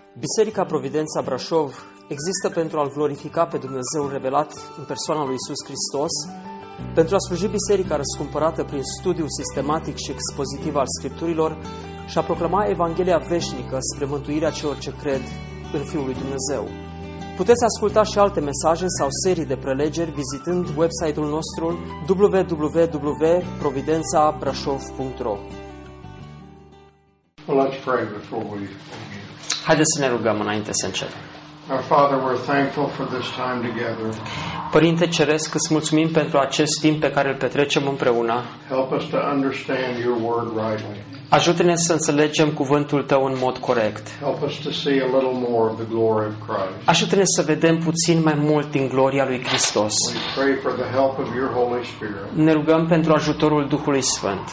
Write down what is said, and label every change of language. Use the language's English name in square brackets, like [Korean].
[Romanian] Biserica Providența Brașov există pentru a-L glorifica pe Dumnezeu revelat în persoana lui Iisus Hristos, pentru a sluji biserica răscumpărată prin studiul sistematic și expozitiv al Scripturilor și a proclama Evanghelia veșnică spre mântuirea celor ce cred în Fiul lui Dumnezeu. Puteți asculta și alte mesaje sau serii de prelegeri vizitând website-ul nostru www.providenzabrasov.ro. [English] Well, let's pray before we begin. [Romanian] Haideți să ne rugăm înainte să începem. [English] Our Father, we're thankful for this time together. [Romanian] Părinte Ceresc, îți mulțumim pentru acest timp pe care îl petrecem împreună. [English] Help us to understand your word rightly. [Romanian] Ajută-ne să înțelegem cuvântul Tău în mod corect. [English] Help us to see a little more of the glory of Christ. [Romanian] Ajută-ne să vedem puțin mai mult din gloria lui Hristos. [English] We pray for the help of your Holy Spirit. [Romanian] Ne rugăm pentru ajutorul Duhului Sfânt.